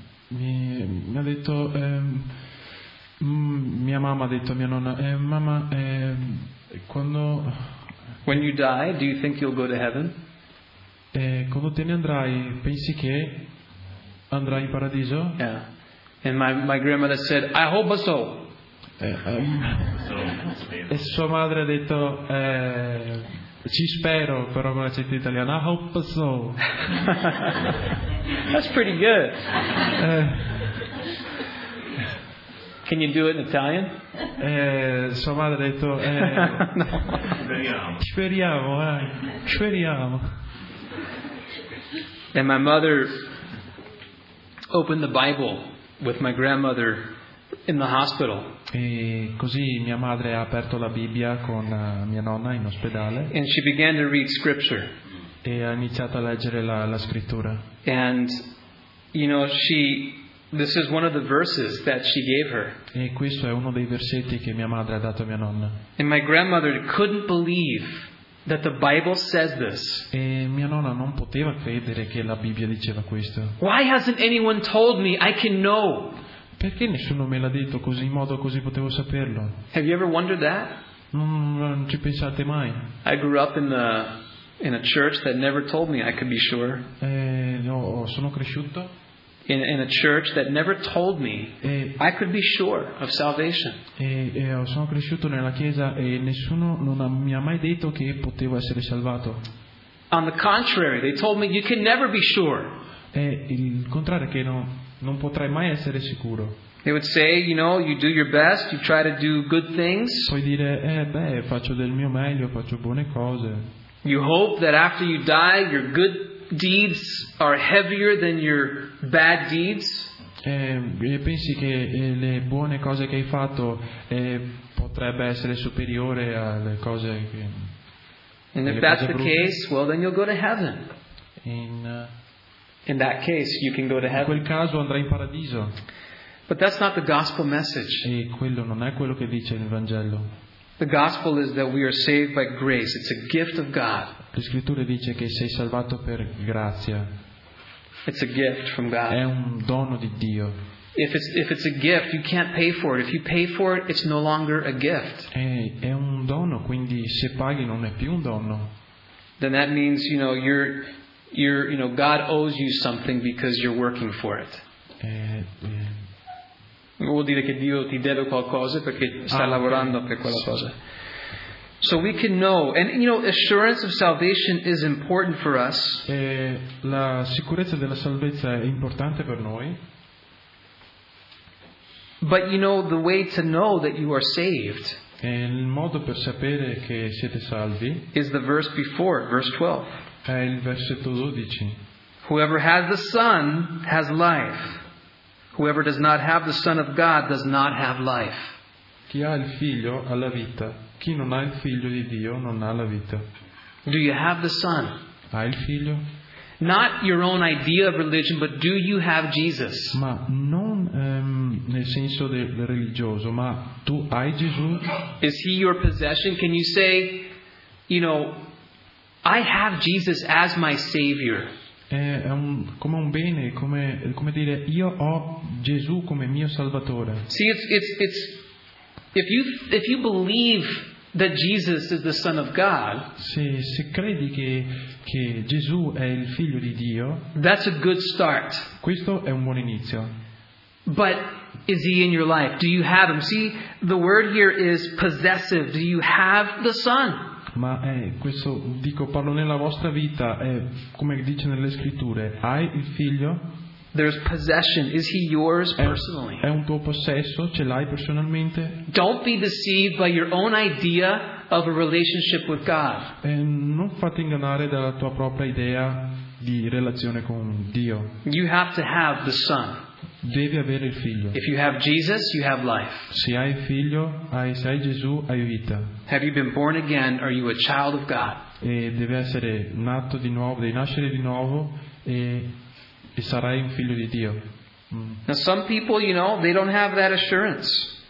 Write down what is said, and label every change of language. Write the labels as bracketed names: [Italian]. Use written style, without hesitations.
[Italian] Mi ha detto mia mamma ha detto a mia nonna mamma quando [English] when you die do you think you'll go to heaven? [Italian] Quando te ne andrai pensi che andrai in paradiso? [English] Yeah. And my grandmother said I hope so. [Italian] E sua madre ha detto ci spero, però con l'accento italiano [English] I hope so. That's pretty good. Can you do it in Italian? [Italian] Sua madre ha detto no. Speriamo. Speriamo. [English] And my mother opened the Bible with my grandmother in the hospital. [Italian] E così mia madre ha aperto la Bibbia con mia nonna in ospedale. [English] And she began to read scripture. [Italian] E ha iniziato a leggere la scrittura. [English] And you know she. This is one of the verses that she gave her. [Italian] E questo è uno dei versetti che mia madre ha dato a mia nonna. [English] And my grandmother couldn't believe that the Bible says this. [Italian] E mia nonna non poteva credere che la Bibbia diceva questo. [English] Why hasn't anyone told me? I can know. [Italian] Perché nessuno me l'ha detto così in modo così potevo saperlo? [English] Have you ever wondered that? [Italian] Non ci pensate mai? [English] I grew up in a church that never told me I could be sure. [Italian] Sono cresciuto [English] in a church that never told me I could be sure of salvation. [Italian] Sono cresciuto nella chiesa e nessuno mi ha mai detto che potevo essere salvato. [English] On the contrary, they told me you can never be sure. [Italian] Il contrario che non potrai mai essere sicuro. [English] They would say, you know, you do your best, you try to do good things. [Italian] Puoi dire, faccio del mio meglio, faccio buone cose. [English] You hope that after you die, your good deeds are heavier than your bad deeds. [Italian] Pensi che le buone cose che hai fatto potrebbe essere superiore alle cose che. [English] And if that's the case, well, then you'll go to heaven. In that case, you can go to heaven. [Italian] In quel caso andrai in paradiso. [English] But that's not the gospel message. [Italian] E quello non è quello che dice il Vangelo. [English] The gospel is that we are saved by grace. It's a gift of God. [Italian] Le scritture dice che sei salvato per grazia. [English] It's a gift from God. [Italian] È un dono di Dio. [English] If it's a gift, you can't pay for it. If you pay for it, it's no longer a gift. [Italian] È un dono, quindi se paghi non è più un dono. [English] Then that means, you know, you're, you know, God owes you something because you're working for it. [Italian] Vuol dire che Dio ti deve qualcosa perché sta lavorando per quella cosa. [English] So we can know, and you know, assurance of salvation is important for us. [Italian] La sicurezza della salvezza è importante per noi. [English] But you know, the way to know that you are saved. [Italian] E il modo per sapere che siete salvi. [English] Is the verse before, verse 12. [Italian] È il versetto 12. [English] Whoever has the Son has life. Whoever does not have the Son of God does not have life. [Italian] Chi ha il figlio ha la vita. Chi non ha il figlio di Dio non ha la vita. [English] Do you have the Son? [Italian] Ha il figlio? [English] Not your own idea of religion, but do you have Jesus? [Italian] Ma non nel senso del religioso, ma tu hai Gesù? [English] Is he your possession? Can you say, you know, I have Jesus as my Savior? [Italian] È un, come un bene, come, come dire, io ho Gesù come mio Salvatore. [English] See, it's if you believe that Jesus is the Son of God, [Italian] se credi che Gesù è il figlio di Dio, [English] that's a good start. [Italian] Questo è un buon inizio. [English] But is he in your life? Do you have him? See, the word here is possessive. Do you have the Son? [Italian] Ma è questo, dico, parlo nella vostra vita, è come dice nelle scritture, hai il figlio? [English] There's possession. Is he yours personally? [Italian] È un tuo possesso? Ce l'hai personalmente? [English] Don't be deceived by your own idea of a relationship with God. [Italian] E non fate ingannare dalla tua propria idea di relazione con Dio. [English] You have to have the Son. [Italian] Devi avere il figlio. [English] If you have Jesus, you have life. [Italian] Se hai figlio, hai, se hai Gesù, hai vita. [English] Have you been born again? Are you a child of God? [Italian] E devi essere nato di nuovo, devi nascere di nuovo e sarai un figlio di Dio. [English] Now some people, you know, they don't have that assurance.